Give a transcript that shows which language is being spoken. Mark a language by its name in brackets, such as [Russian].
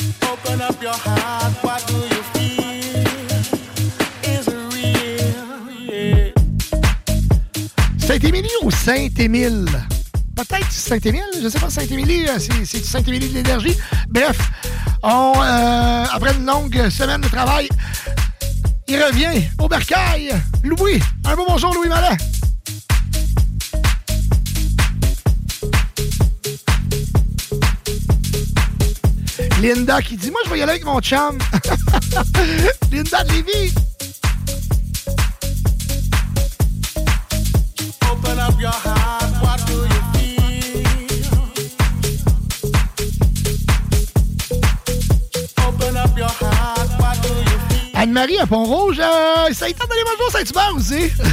[English] Open up your heart, what do you feel? Is it real? Yeah. [French] Saint-Émilie ou Saint-Émile? Peut-être Saint-Émile, je ne sais pas, Saint-Émilie, c'est Saint-Émilie de l'énergie. Bref, après une longue semaine de travail, il revient au bercail. Louis, un beau bonjour, Louis Mallet. Linda qui dit, moi, je vais y aller avec mon chum. Linda de Lévis. [English] Open up your heart, what do you feel? Open up your heart, what do you feel? [French] Anne-Marie à Pont-Rouge, ça y tente d'aller manger au Saint-Hubert aussi.